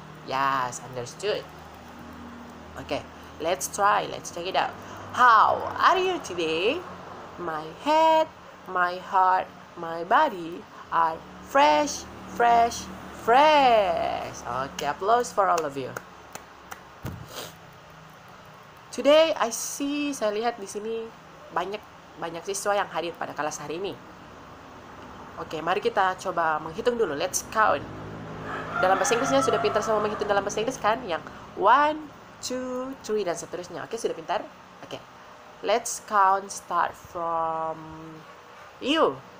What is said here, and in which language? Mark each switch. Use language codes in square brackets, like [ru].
[en] Yes, understood. Okay, let's try. Let's check it out. How are you today? My head, my heart, my body are fresh, fresh, fresh. Okay, applause for all of you. Today I see, [id] saya lihat di sini banyak banyak siswa yang hadir pada kelas hari ini. Oke, mari kita coba menghitung dulu. [en] Let's count. [id] Dalam bahasa Inggrisnya sudah pintar sama menghitung dalam bahasa Inggris kan? Yang 1, 2, 3 dan seterusnya. Oke, sudah pintar? Oke. [en] Let's count start from you.